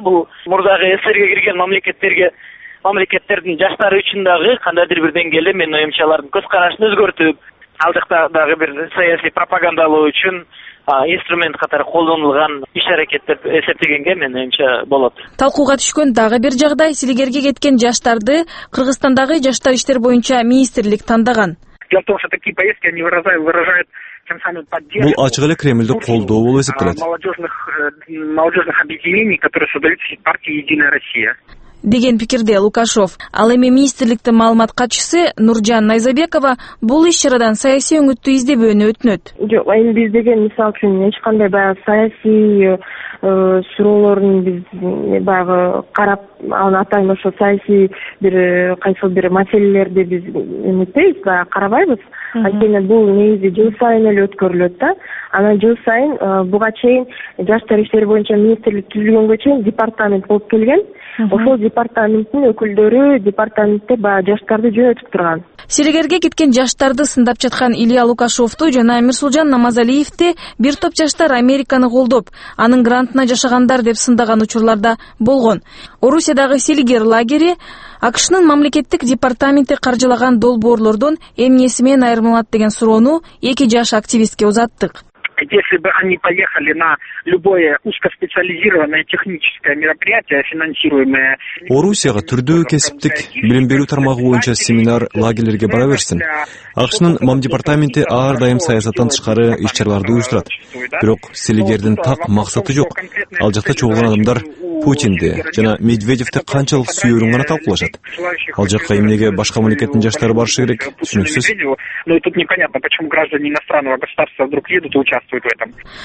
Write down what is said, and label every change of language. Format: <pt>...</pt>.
<ky>Бул мурдагы СССРге кирген мамлекеттердин жаштары үчүн дагы кандайдыр бир деңгээлде менин оюмча алардын көз карашын өзгөртүп, ал жакта дагы бир саясий пропагандалоо үчүн инструмент катары колдонулган иш аракет деп эсептегенге менин оюмча болот. Талкууга түшкөн дагы бир жагдай, силигерге кеткен жаштарды Кыргызстандагы жаштар иштери боюнча министрлик тандаган.</ky> <ru>Дело в том, что такие поездки они выражают тем самым поддержку.</ru> <ky>Бул ачык эле Кремльди колдоо болуп эсептелет.</ky> <ru>Молодежных объединений, которые создаются партией Единая Россия.</ru> <ky>Деген пикирде Лукашов. Ал эми министрликтин маалымат катчысы Нуржан Найзабекова бул иш чарадан саясий өңүттү издебөөнү өтүнөт. Жок, эми биз деген мисал үчүн эч кандай баягы саясий суроолорун биз баягы карап анан атайын ошо саясий бир кайсыл бир маселелерди биз эметпейбиз, баягы карабайбыз. Анткени бул негизи жыл сайын эле өткөрүлөт да. Анан жыл сайын буга чейин жаштар иштери боюнча министрлик түзүлгөнгө чейин департамент болуп келген. Ошол департаменттин өкүлдөрү департаментте баягы жаштарды жөнөтүп турган. Силигерге кеткен жаштарды сындап жаткан Илья Лукашовду жана Мирсулжан Намазалиевди бир топ жаштар Американы колдоп, анын грантына жашагандар деп сындаган учурлар да болгон. Орусиядагы силигер лагери АКШнын мамлекеттик департаменти каржылаган долбоорлордон эмнеси менен айырмаланат деген суроону эки жаш активистке узаттык.</ky> <ru>Если бы они поехали на любое узкоспециализированное техническое мероприятие, финансируемое.</ru> <ky>Орусияга түрдүү кесиптик билим берүү тармагы боюнча семинар лагерлерге бара берсин. АКШнын мам департаменти ар дайым саясаттан тышкары иш-чараларды уюштурат. Бирок силигердин так максаты жок. Ал жакта чогулган адамдар Путинди жана Медведевди канчалык сүйөрүн гана талкуулашат. Ал жакка эмнеге башка мамлекеттин жаштары барышы керек? Түшүнүксүз.</ky> <ru>Но тут непонятно, почему граждане иностранного государства вдруг едут и участвуют в этом.</ru>